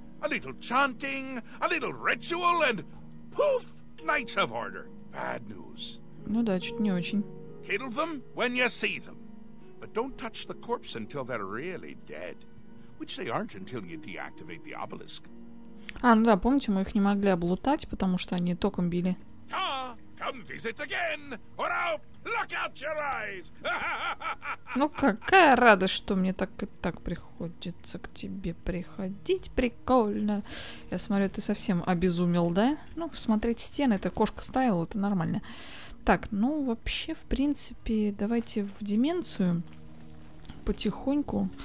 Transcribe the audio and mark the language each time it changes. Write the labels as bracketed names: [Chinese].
[English] A little chanting, a little ritual, and poof! Knights of Order. Bad news. [Russian] Ну да, чуть не очень. [English] Kill them when you see them. But don't touch the corpse until they're really dead. which they aren't until you deactivate the obelisk. [Russian] А, ну да, помните, мы их не могли облутать, потому что они током били. [English] Та, come visit again, or I'll pluck out your eyes. [Russian] Ну какая радость, что мне так и так приходится к тебе приходить, прикольно. Я смотрю, ты совсем обезумел, да? Ну, смотреть в стены, это кошка ставила, это нормально. Так, ну вообще, в принципе, давайте в деменцию потихоньку.